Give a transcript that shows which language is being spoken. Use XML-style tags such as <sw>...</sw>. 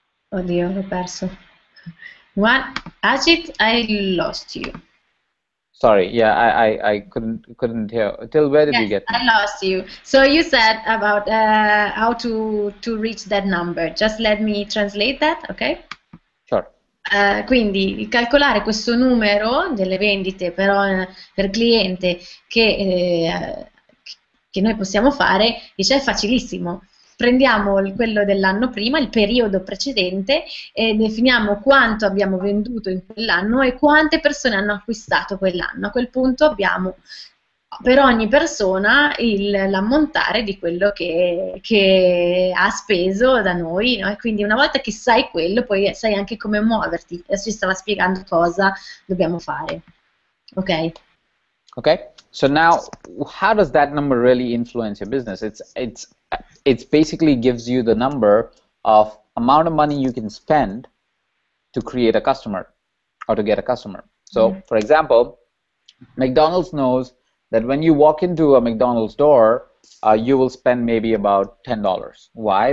<it>Oddio, l'ho perso.</it> <en>What? Ajit, I lost you. Sorry, yeah, I couldn't hear. Till where did yes, you get? I lost you. So you said about how to reach that number. Just let me translate that, okay? Sure.</en> <it>Quindi calcolare questo numero delle vendite per cliente che noi possiamo fare, dice, è facilissimo. Prendiamo quello dell'anno prima, il periodo precedente, e definiamo quanto abbiamo venduto in quell'anno e quante persone hanno acquistato quell'anno. A quel punto abbiamo per ogni persona l'ammontare di quello che ha speso da noi, no? E quindi una volta che sai quello, poi sai anche come muoverti. Adesso ci stava spiegando cosa dobbiamo fare. Ok?</it> <en>Ok. So now, how does that number really influence your business? It's basically gives you the number of amount of money you can spend to create a customer or to get a customer. So, for example, McDonald's knows that when you walk into a McDonald's door, you will spend maybe about $10. Why?</en>